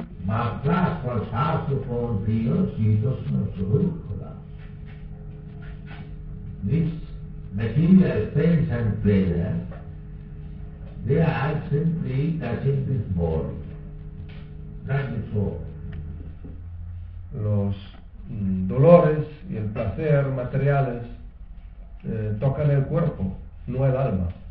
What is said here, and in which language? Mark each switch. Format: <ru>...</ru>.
<en>Matras por sabte por Dios, Dios nos gurukula. This material pains and pleasures, they are simply touching this body, not the soul.</en> <es>Los dolores y el placer materiales tocan el cuerpo, no el alma.</es>